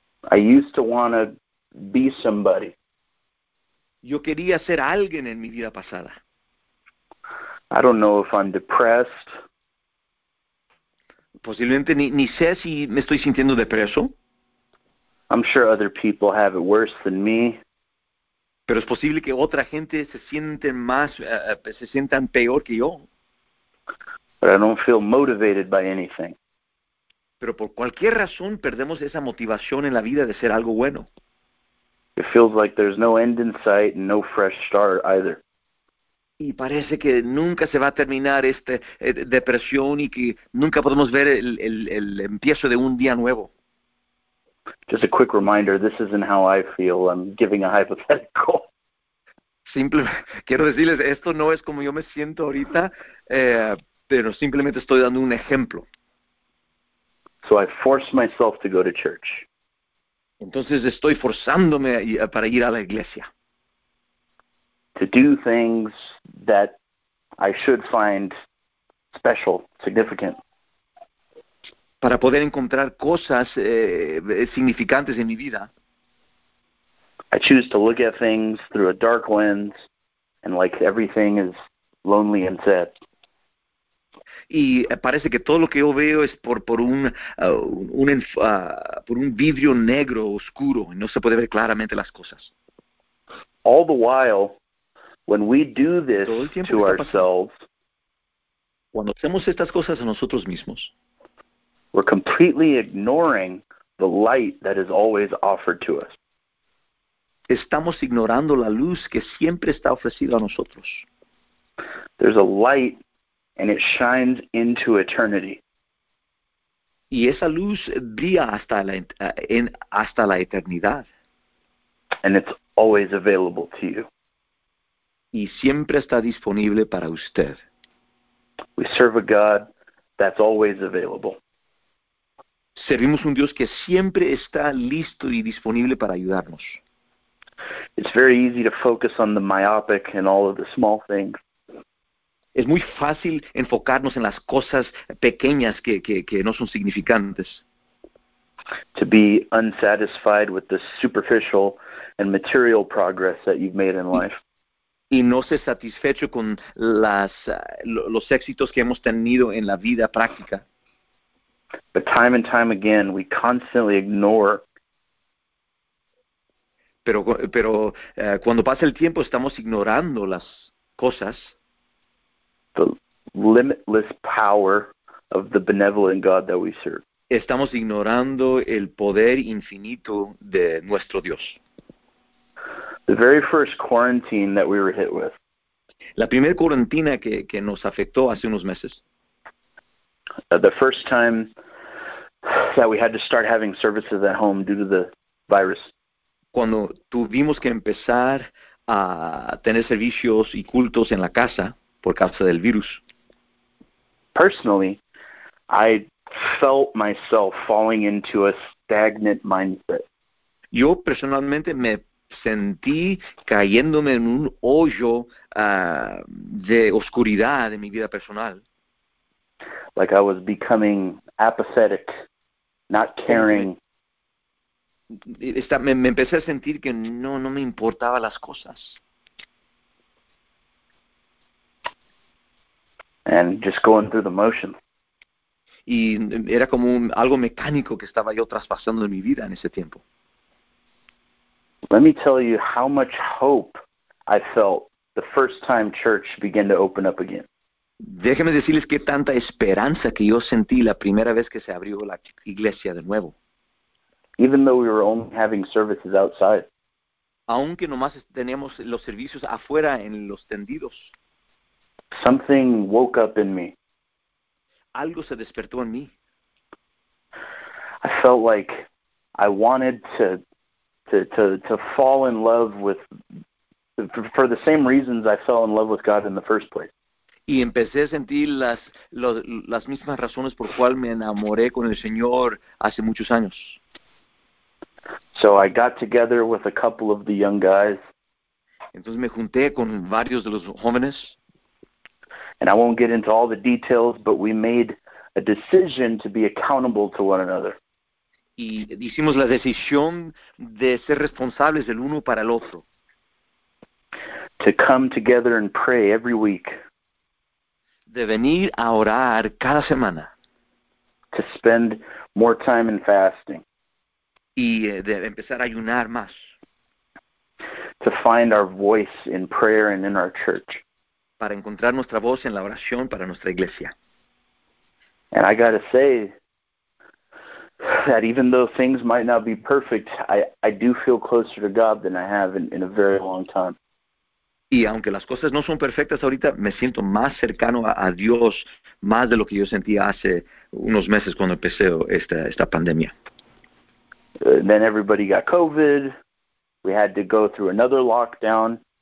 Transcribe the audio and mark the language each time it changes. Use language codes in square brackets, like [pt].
[en] I used to want to be somebody. [es] Yo quería ser alguien en mi vida pasada. [en] I don't know if I'm depressed. [es] Posiblemente ni sé si me estoy sintiendo depreso. [en] I'm sure other people have it worse than me. [es] Pero es posible que otra gente se sientan peor que yo. [en] But I don't feel motivated by anything. [es] Pero por cualquier razón perdemos esa motivación en la vida de ser algo bueno. [en] It feels like there's no end in sight and no fresh start either. [es] Y parece que nunca se va a terminar esta depresión y que nunca podemos ver el empiezo de un día nuevo. [en] Just a quick reminder, this isn't how I feel. I'm giving a hypothetical. [es] Simplemente, quiero decirles, esto no es como yo me siento ahorita, pero simplemente estoy dando un ejemplo. [en] So I force myself to go to church. [es] Entonces estoy forzándome para ir a la iglesia. [en] To do things that I should find special, significant. [es] Para poder encontrar cosas significantes en mi vida. [en] I choose to look at things through a dark lens and like everything is lonely and sad. [es] Y parece que todo lo que yo veo es por un vidrio negro oscuro y no se puede ver claramente las cosas. [en] All the while, when we do this to ourselves, [es] cuando hacemos estas cosas a nosotros mismos, [en] we're completely ignoring the light that is always offered to us. [es] Estamos ignorando la luz que siempre está ofrecida a nosotros. [en] There's a light and it shines into eternity. [es] Y esa luz brilla hasta la eternidad. [en] And it's always available to you. [es] Y siempre está disponible para usted. [en] We serve a God that's always available. [es] Servimos un Dios que siempre está listo y disponible para ayudarnos. [en] It's very easy to focus on the myopic and all of the small things. [es] Es muy fácil enfocarnos en las cosas pequeñas que no son significantes. [en] To be unsatisfied with the superficial and material progress that you've made in life. [es] Y no ser satisfecho con los éxitos que hemos tenido en la vida práctica. [en] But time and time again, we constantly ignore. [es] Pero cuando pasa el tiempo, estamos ignorando las cosas. [en] The limitless power of the benevolent God that we serve. [es] Estamos ignorando el poder infinito de nuestro Dios. [en] The very first quarantine that we were hit with. [es] La primera cuarentena que nos afectó hace unos meses. [en] The first time that we had to start having services at home due to the virus. [es] Cuando tuvimos que empezar a tener servicios y cultos en la casa por causa del virus. [en] Personally, I felt myself falling into a stagnant mindset. [es] Yo personalmente me sentí cayéndome en un hoyo de oscuridad en mi vida personal. [en] Like I was becoming apathetic. Not caring. [es] Me empecé a sentir que no me importaba las cosas. [en] And just going through the motions. [es] Y era como algo mecánico que estaba yo traspasando en mi vida en ese tiempo. [en] Let me tell you how much hope I felt the first time church began to open up again. [es] Déjenme decirles qué tanta esperanza que yo sentí la primera vez que se abrió la iglesia de nuevo. [en] Even though we were only having services outside. [es] Aunque nomás teníamos los servicios afuera en los tendidos. [en] Something woke up in me. [es] Algo se despertó en mí. [en] I felt like I wanted to fall in love with for the same reasons I fell in love with God in the first place. [es] Y empecé a sentir las mismas razones por cual me enamoré con el Señor hace muchos años. [en] So I got together with a couple of the young guys. [es] Entonces me junté con varios de los jóvenes. [en] And I won't get into all the details, but we made a decision to be accountable to one another. [es] Y hicimos la decisión de ser responsables el uno para el otro. [en] To come together and pray every week. [es] De venir a orar cada semana. [en] To spend more time in fasting. [es] Y de empezar a ayunar más. [en] To find our voice in prayer and in our church. [es] Para encontrar nuestra voz en la oración para nuestra iglesia. [en] And I got to say that even though things might not be perfect, I do feel closer to God than I have in a very long time. [es] Y aunque las cosas no son perfectas ahorita, me siento más cercano a Dios, más de lo que yo sentía hace unos meses cuando empecé esta pandemia. [en] Then everybody got COVID. We had to go through another lockdown.